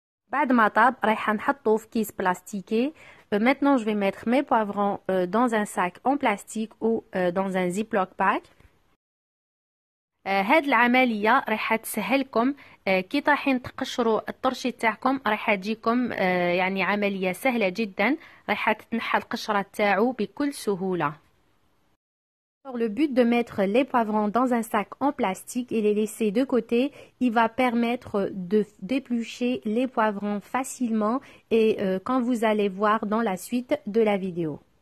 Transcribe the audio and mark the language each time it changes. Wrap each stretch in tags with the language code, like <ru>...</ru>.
<ar>بعد ما طاب رايح نحطه في كيس بلاستيكي.</ar> <fr>maintenant je vais mettre mes poivrons dans un sac en plastique ou dans un ziploc bag.</fr> <ar>هاد العملية رايح تسهلكم كي طرحين تقشروا الطرشي تاعكم، رايح تجيكم يعني عملية سهلة جدا، رايح تتنحى القشرة تاعو بكل سهولة.</ar> <fr>Le but de mettre les poivrons dans un sac en plastique et les laisser de côté, il va permettre de d'éplucher les poivrons facilement et quand vous allez voir dans la suite de la vidéo.</fr>